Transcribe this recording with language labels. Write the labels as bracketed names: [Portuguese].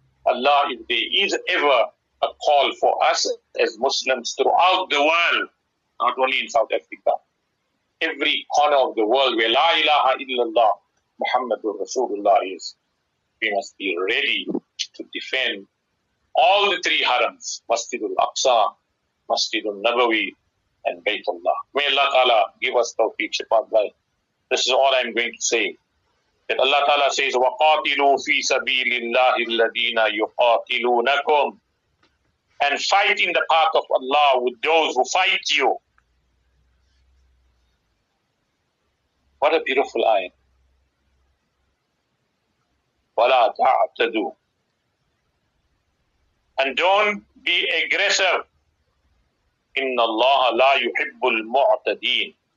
[English] Allah, if there is ever a call for us as Muslims throughout the world, not only in South Africa, every corner of the world where La ilaha illallah Muhammadur Rasulullah is, we must be ready to defend all the three harams, Masjid al-Aqsa, Masjid al-Nabawi, and Baytullah. May Allah Ta'ala give us tawfiq, shifa, life. This is all I'm going to say. That Allah Ta'ala says, [Arabic] وَقَاتِلُوا فِي سَبِيلِ اللَّهِ الَّذِينَ يُقَاتِلُونَكُمْ. [English] And fight in the path of Allah with those who fight you. What a beautiful ayah. [Arabic] وَلَا تَعْتَدُوا. [English] And don't be aggressive. [Arabic] إِنَّ اللَّهَ لَا يُحِبُّ الْمُعْتَدِينَ.